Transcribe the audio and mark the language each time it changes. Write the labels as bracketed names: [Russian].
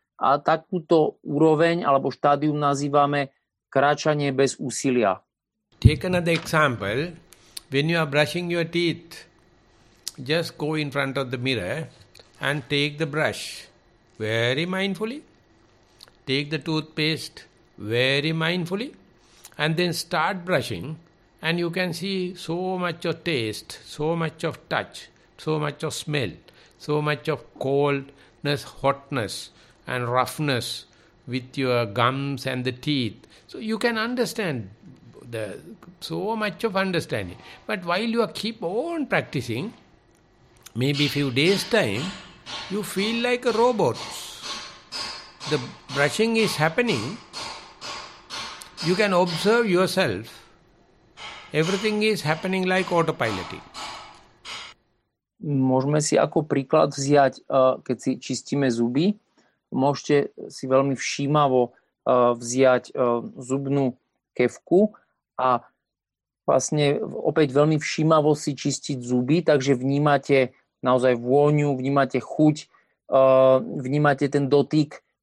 [Slovak] A takúto úroveň alebo štádium nazývame kráčanie bez úsilia. [English] Take another example. When you are brushing your teeth, just go in front of the mirror and take the brush very mindfully. Take the toothpaste very mindfully and then start brushing and you can see so much of taste, so much of touch, so much of smell, so much of coldness, hotness, and roughness with your gums and the teeth. So you can understand the so much of understanding. But while you are keep on practicing, maybe a few days time, you feel like a robot. The brushing is happening. You can observe yourself. Everything is happening like autopiloting. [Slovak] Môžeme si ako príklad vziať, keď si čistíme zuby, môžete si veľmi všímavo vziať zubnú kevku a vlastne opäť veľmi všímavo si čistiť zuby, takže vnímate naozaj vôňu, vnímate chuť, vnímate ten dotyk,